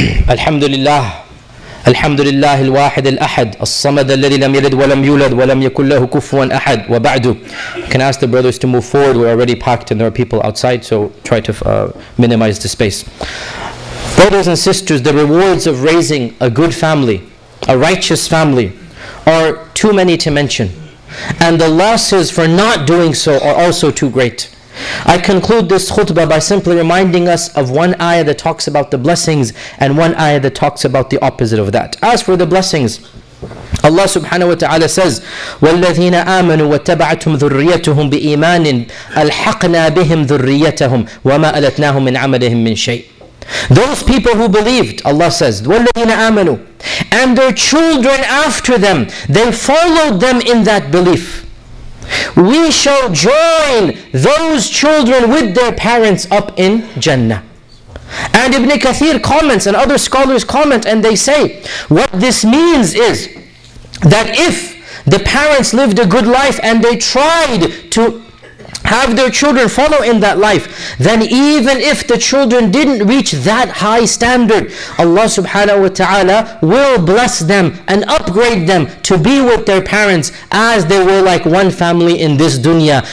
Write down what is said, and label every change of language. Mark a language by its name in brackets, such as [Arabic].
[Arabic] الحمد لله الحمد لله الواحد الأحد الصمد الذي لم يلد ولم يولد ولم يكن له كفوا أحد وبعد. [English] Can I ask the brothers to move forward? We're already packed and there are people outside, so try to minimize the space. Brothers and sisters, the rewards of raising a good family, a righteous family, are too many to mention. And the losses for not doing so are also too great. I conclude this khutbah by simply reminding us of one ayah that talks about the blessings and one ayah that talks about the opposite of that. As for the blessings, Allah subhanahu wa ta'ala says, [Arabic] وَالَّذِينَ آمَنُوا وَاتَّبَعَتْهُمْ ذُرِّيَّتُهُمْ بِإِيمَانٍ أَلْحَقْنَا بِهِمْ ذُرِّيَّتَهُمْ وَمَا أَلَتْنَاهُمْ مِنْ عَمَلِهِمْ مِنْ شَيْءٍ. [English] Those people who believed, Allah says, [Arabic] وَالَّذِينَ آمَنُوا, [English] and their children after them, they followed them in that belief. We shall join those children with their parents up in Jannah. And Ibn Kathir comments, and other scholars comment, and they say, what this means is that if the parents lived a good life and they tried to have their children follow in that life, then even if the children didn't reach that high standard, Allah subhanahu wa ta'ala will bless them and upgrade them to be with their parents as they were like one family in this dunya.